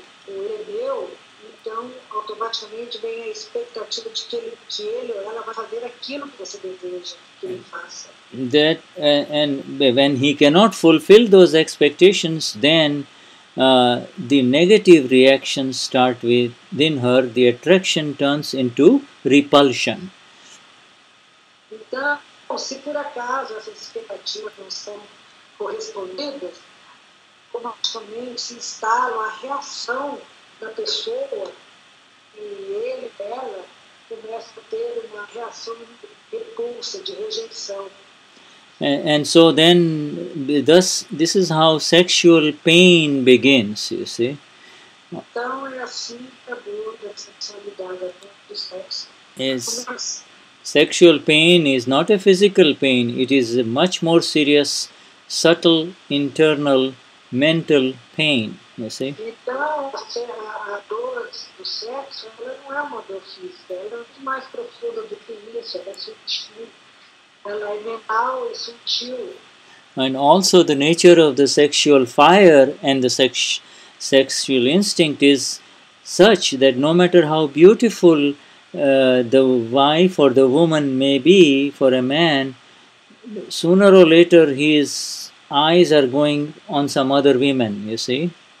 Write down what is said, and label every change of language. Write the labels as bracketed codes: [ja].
[pt] Então, automaticamente vem a expectativa de que ele ou ela vai fazer aquilo que você deseja que ele faça. [en] That and when he cannot fulfill those expectations, then the negative reactions start within her. The attraction turns into repulsion. [pt] Então, se por acaso essas expectativas não são correspondidas, automaticamente se instala a reação da pessoa, e ele, ela, começa a ter uma reação de repulsa, de rejeição. [en] And so then, this is how sexual pain begins, you see. [pt] Então, é assim que a dor da sexualidade, a dor do sexo. [en] Sexual pain is not a physical pain, it is a much more serious, subtle, internal, mental pain. You see? [pt] Então, a dor do sexo, ela não é uma dor física, ela é muito mais profunda do que isso, ela é sutil. elemental e sutil. [en] And also the nature of the sexual fire and the sexual instinct is such that no matter how beautiful the wife or the woman may be for a man, sooner or later his eyes are going on some other women, you see.